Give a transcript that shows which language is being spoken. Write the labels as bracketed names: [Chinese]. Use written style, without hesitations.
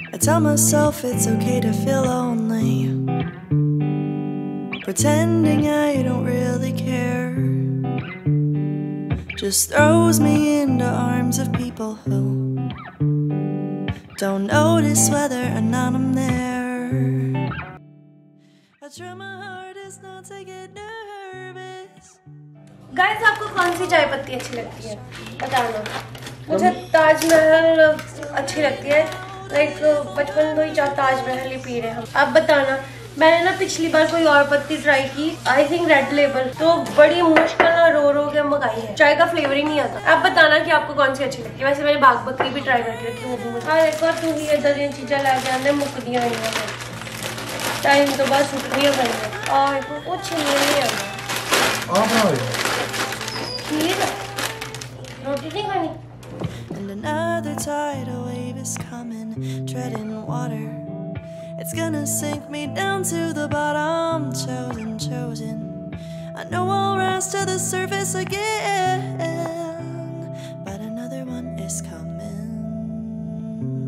[English] Tell myself it's okay to feel lonely, pretending I don't really care, just throws me into arms of people who don't notice whether or not I'm there. I try my hardest not to get nervous. [Hindi] Guys, आपको कौन सी चाय पत्ती अच्छी लगती है बताना, मुझे ताजमहल अच्छी लगती है, लाइक बचपन में ही ताजमहल ही पी रहे हम। अब बताना, मैंने ना पिछली बार कोई और पत्ती ट्राई की, [English] I think [Hindi] रेड लेबल, तो बड़ी मुश्किल ना रो रो के मंगाई है, चाय का फ्लेवर ही नहीं आता। अब बताना कि आपको कौन सी अच्छी लगती है। वैसे मैंने बाग बकरी भी ट्राई करके रखी, वो भी एक बार तुम इधर ये चीजें ला जाने मुक दिया है, टाइम तो बस उठ गया है, और कुछ नहीं आता। रोटी नहीं खानी, [English] another tidal wave is coming, treading water, it's gonna sink me down to the bottom, chosen, chosen, I know I'll rise to the surface again, but another one is coming.